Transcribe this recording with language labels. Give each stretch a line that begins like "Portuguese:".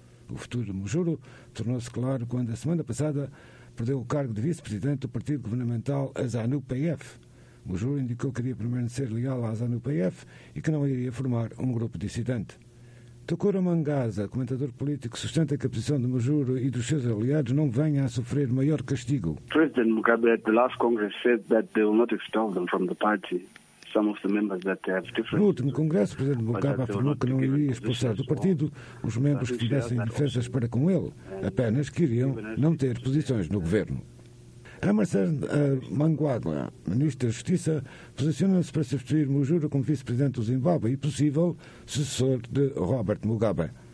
Portuguese: O futuro de Mujuru tornou-se claro quando, a semana passada, perdeu o cargo de vice-presidente do partido governamental ZANU-PF. Mujuru indicou que iria permanecer leal à ZANU-PF e que não iria formar um grupo dissidente. Tokoro Mangasa, comentador político, sustenta que a posição de Mujuru e dos seus aliados não venha a sofrer maior castigo.
English: President Mugabe, at the last Congress, said that they will not expel them from the party.
Portuguese: No último Congresso, o presidente Mugabe afirmou que não iria expulsar do partido os membros que tivessem defesas para com ele, apenas que iriam não ter posições no governo. Emerson Mnangagwa, ministro da Justiça, posiciona-se para substituir Mujuru como vice-presidente do Zimbábue e possível sucessor de Robert Mugabe.